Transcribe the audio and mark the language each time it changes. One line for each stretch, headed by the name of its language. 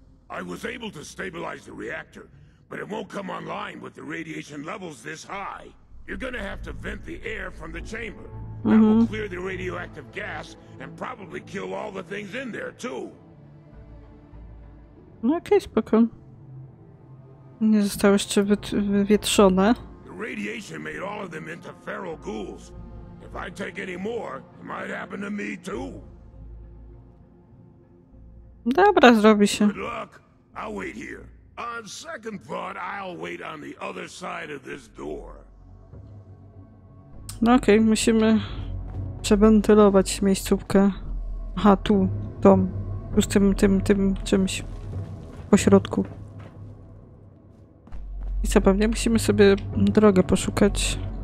English: I was able to stabilize the reactor, but it won't come online with the radiation levels this high. You're gonna have to vent the air from the chamber. That will clear the radioactive gas and probably kill all the things in there too.
Polish: No okej, spoko. Nie zostały jeszcze wywietrzone.
English: The radiation made all of them into feral ghouls. If I take any more, it might happen to me too.
Polish: Dobra, zrobi się.
English: Good luck. I'll wait here. On second thought, I'll wait on the other side of this door.
Polish: No okej, okay, musimy przewentylować miejscówkę. Aha, tu, dom. Już tym czymś po środku. I co, pewnie musimy sobie drogę poszukać.